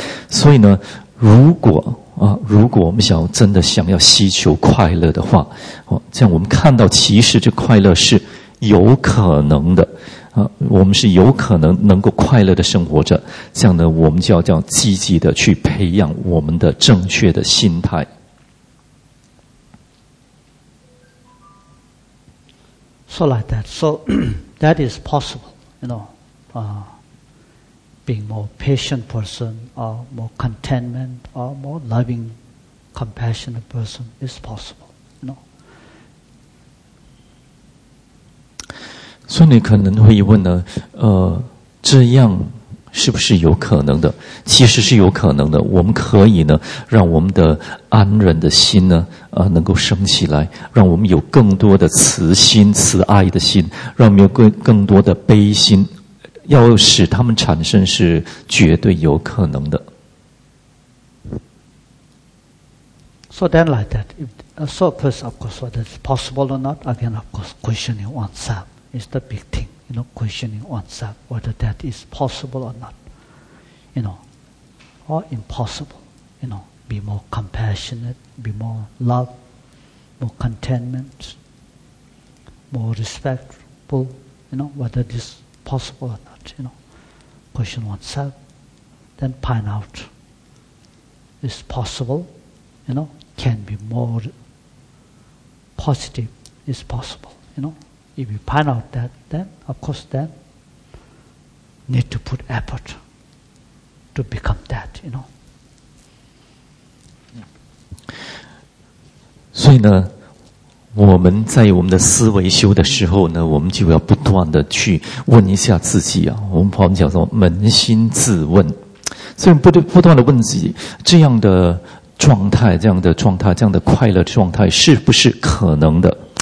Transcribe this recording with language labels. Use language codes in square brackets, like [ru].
[zh] 所以呢，如果我们想要真的想要希求快乐的话，这样我们看到其实这快乐是有可能的，我们是有可能能够快乐的生活着，这样呢我们就要这样积极的去培养我们的正确的心态。 [en] So like that, so that is possible, you know, being more patient person, or more contentment, or more loving, compassionate person is possible, you know. [zh] 所以你可能会问呢，这样是不是有可能的？其实是有可能的。我们可以呢，让我们的安忍的心呢，能够升起来，让我们有更多的慈心、慈爱的心，让我们有更多的悲心，要使他们产生是绝对有可能的。 [en] So then, like that, if, so first, of course, whether it's possible or not, again, of course, questioning oneself is the big thing. You know, questioning oneself whether that is possible or not, you know, or impossible. You know, be more compassionate, be more love, more contentment, more respectful. You know, whether this possible or not. You know, question oneself, then find out is possible. You know, can be more positive. Is possible. You know. If you find out that, then, of course, then, need to put effort to become that, you know. [zh] 所以呢，我们在我们的思维修的时候呢，我们就要不断的去问一下自己啊。我们讲说扪心自问，所以不断的问自己，这样的状态、这样的状态、这样的快乐状态是不是可能的？